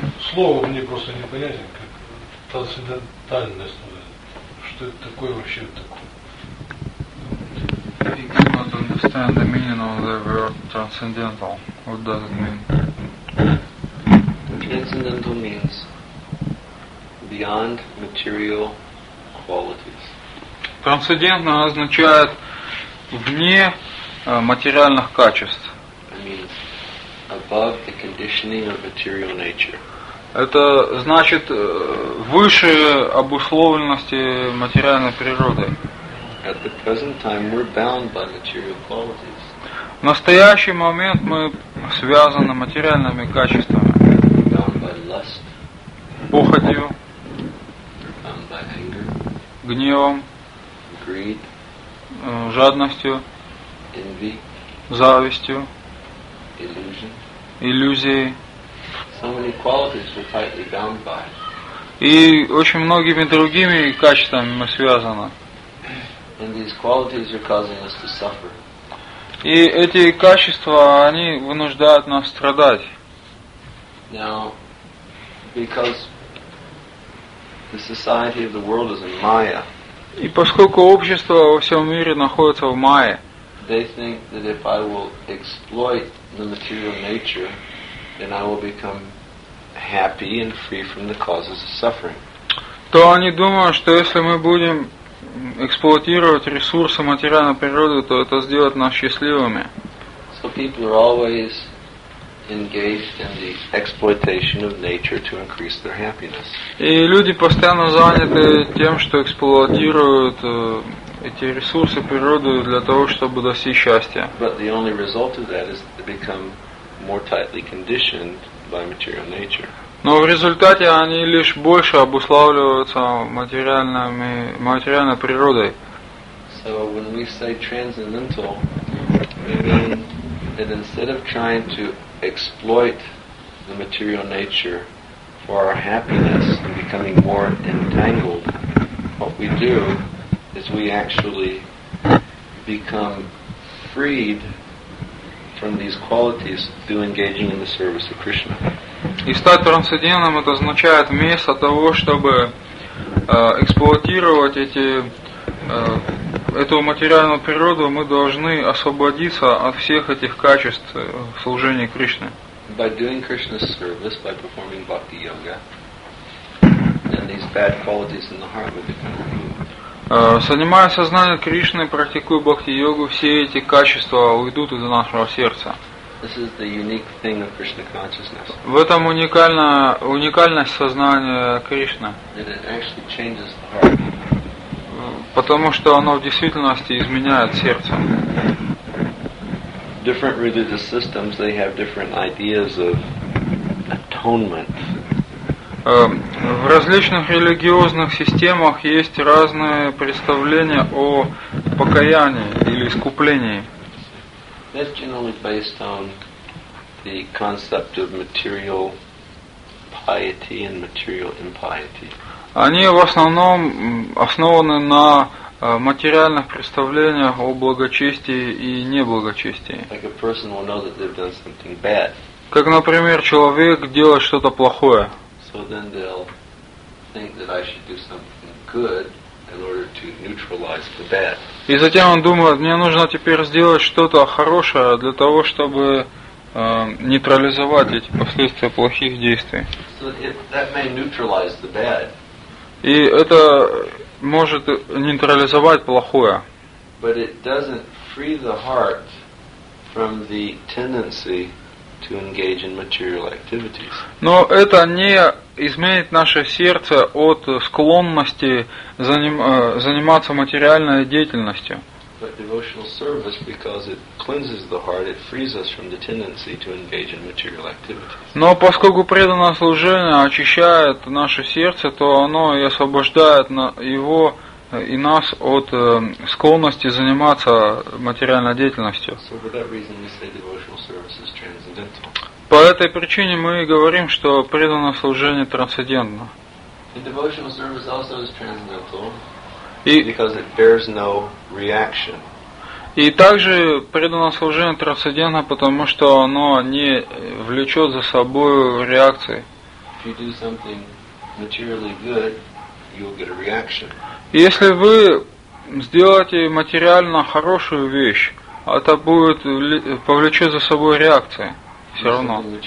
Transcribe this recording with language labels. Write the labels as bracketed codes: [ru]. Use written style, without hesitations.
[ru] Слово мне просто непонятно, как трансцендентальность. Что это такое вообще такое? [en] I cannot understand the meaning of the word transcendental. What does it mean? Transcendental means beyond material qualities. [ru] Трансцендентно означает вне материальных качеств. [en] It means above the conditioning of material nature. [ru] Это значит выше обусловленности материальной природы. [en] At the present time, we're bound by material qualities. [ru] В настоящий момент мы связаны материальными качествами. [en] We're bound by lust. [ru] Похотью. [en] We're bound by anger. [ru] Гневом. [en] Greed. [ru] Жадностью. [en] Envy. [ru] Завистью. [en] Illusion. [ru] Иллюзией. [en] So many qualities we're tightly bound by. [ru] И очень многими другими качествами мы связаны. [en] And these qualities are causing us to suffer. [ru] И эти качества, они вынуждают нас страдать. [en] Now, because the society of the world is in Maya. [ru] И поскольку общество во всем мире находится в Майе. [en] They think that if I will exploit the material nature, then I will become happy and free from the causes of suffering. [ru] То они думают, что если мы будем эксплуатировать ресурсы материальной природы, то это сделает нас счастливыми. [en] So people are always engaged in the exploitation of nature to increase their happiness. [ru] И люди постоянно заняты тем, что эксплуатируют эти ресурсы природы для того, чтобы достичь счастья. [en] But the only result of that is they become more tightly conditioned by material nature. [ru] Но в результате они лишь больше обуславливаются материальной природой. [en] So when we say transcendental, we mean that instead of trying to exploit the material nature for our happiness and becoming more entangled, what we do is we actually become freed from these qualities through engaging in the service of Krishna. [ru] И стать трансцендентным, это означает вместо того, чтобы эксплуатировать эту материальную природу, мы должны освободиться от всех этих качеств в служении Кришне. [en] By doing Krishna's service, by performing bhakti yoga, then these bad qualities in the heart will become removed. [ru] Занимая сознание Кришны, практикуя бхакти йогу, все эти качества уйдут из нашего сердца. [en] This is the unique thing of Krishna consciousness. [ru] В этом уникальность сознания Кришны. [en] It actually changes the heart. [ru] Потому что оно в действительности изменяет сердце. [en] Different religious systems, they have different ideas of atonement. [ru] В различных религиозных системах есть разные представления о покаянии или искуплении. [en] That's generally based on the concept of material piety and material impiety. [ru] Они в основном основаны на материальных представлениях о благочестии и неблагочестии. [en] Like a person will know that they've done something bad. [ru] Как, например, человек делает что-то плохое. [en] So then they'll think that I should do something good in order to neutralize the bad. [ru] И затем он думает, мне нужно теперь сделать что-то хорошее для того, чтобы нейтрализовать эти последствия плохих действий. [en] So that may neutralize the bad. [ru] И это может нейтрализовать плохое. [en] But it doesn't free the heart from the tendency to engage in material activities. [ru] Но это не изменит наше сердце от склонности заниматься материальной деятельностью. [en] But devotional service, because it cleanses the heart, it frees us from the tendency to engage in material activities. [ru] Но поскольку преданное служение очищает наше сердце, то оно и освобождает его и нас от склонности заниматься материальной деятельностью. [en] So for that reason we say devotional service is transcendental. [ru] По этой причине мы и говорим, что преданное служение трансцендентно. [en] The devotional service also is transcendental. Because it bears no reaction. [ru] И также преданное служение трансцендентно, потому что оно не влечет за собой реакции. [en] If you do something materially good, you'll get a reaction. [ru] Если вы сделаете материально хорошую вещь, это будет повлечет за собой реакции. Все равно.